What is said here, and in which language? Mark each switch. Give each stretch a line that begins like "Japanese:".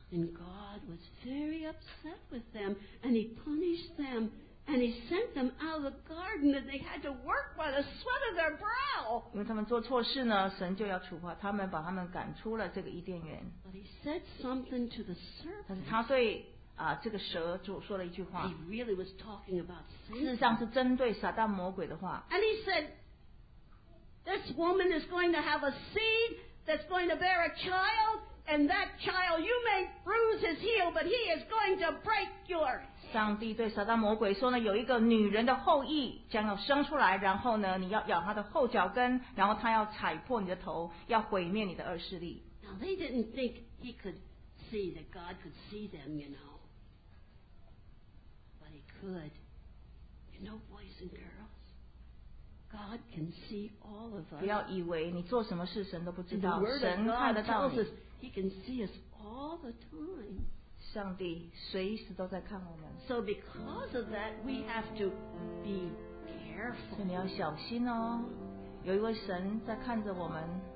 English: And God was very upset with them, and he punished them, and he sent them out of the garden, and they had to work by the sweat of their brow.
Chinese: 因为他们做错事呢，神就要处罚他们，把他们赶出了这个伊甸园。
English: But he said something to the serpent.
Chinese: 但是他对这个蛇就说了一句话
English: he really was talking about Satan.
Chinese: 事实上是针对撒旦魔鬼的话
English: And he said This woman is going to have a seed That's going to bear a child And that child you may bruise his heel But he is going to break your head
Chinese: 上帝对撒旦魔鬼说呢有一个女人的后裔将要生出来然后呢你要咬她的后脚跟然后她要踩破你的头要毁灭你的恶势力
English: Now they didn't think he could see That God could see them you know Good. You know, boys and girls, God can see all of us.
Chinese: 不要以为你做什么事神都不知道，神看得到你。
English: He can see us all the time.
Chinese: 上帝随时都在看我们。
English: So because of that, we have to be careful.
Chinese: 所以你要小心哦，有一位神在看着我们。